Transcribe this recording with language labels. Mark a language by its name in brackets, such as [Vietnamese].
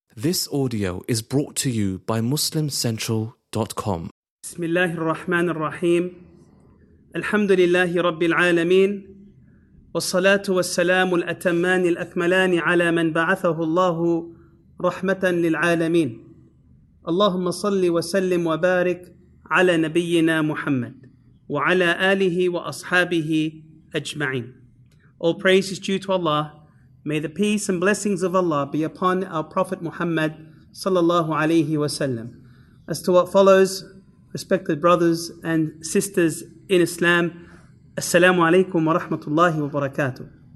[English] This audio is brought to you by MuslimCentral.com. [Arabic] بسم الله الرحمن الرحيم الحمد لله رب العالمين والصلاة والسلام الأتمان الأكملان على من بعثه الله رحمة للعالمين اللهم صل وسلم وبارك على نبينا محمد وعلى آله وأصحابه أجمعين. [English] All praise is due to Allah. May the peace and blessings of Allah be upon our Prophet Muhammad sallallahu alayhi wa sallam. As to what follows, respected brothers and sisters in Islam, assalamu alaykum wa rahmatullahi wa barakatuh.